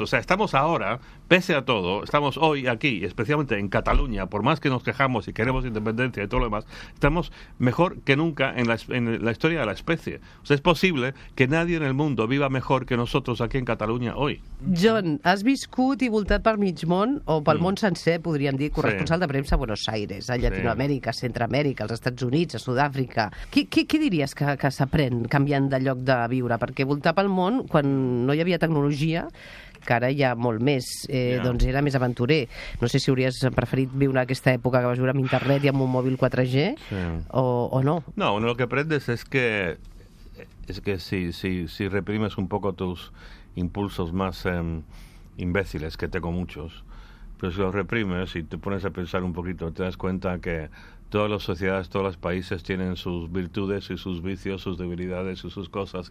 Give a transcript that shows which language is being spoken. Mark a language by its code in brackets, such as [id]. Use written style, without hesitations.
[es] O sea, estamos ahora, pese a todo, estamos hoy aquí, especialmente en Cataluña, por más que nos quejamos y queremos independencia y todo lo demás, estamos mejor que nunca en la historia de la especie. O sea, es posible que nadie en el mundo viva mejor que nosotros aquí en Cataluña hoy. [ca] John, has viscut i voltat per mig món, o pel món sencer, podríem dir, corresponsal de premsa a Buenos Aires, a Llatinoamèrica, a Centroamèrica, als Estats Units, a Sud-àfrica. Què diries que s'aprèn canviant de lloc de vida? Perquè voltar pel món, quan no hi havia tecnologia, que ara hi ha molt més, doncs era més aventurer. No sé si hauries preferit viure aquesta època que vas viure amb internet i amb un mòbil 4G o no. [es] No, lo que aprendes es que si reprimes un poco tus impulsos más imbéciles, que tengo muchos, pero si los reprimes y te pones a pensar un poquito, te das cuenta que todas las sociedades, todos los países tienen sus virtudes y sus vicios, sus debilidades y sus cosas.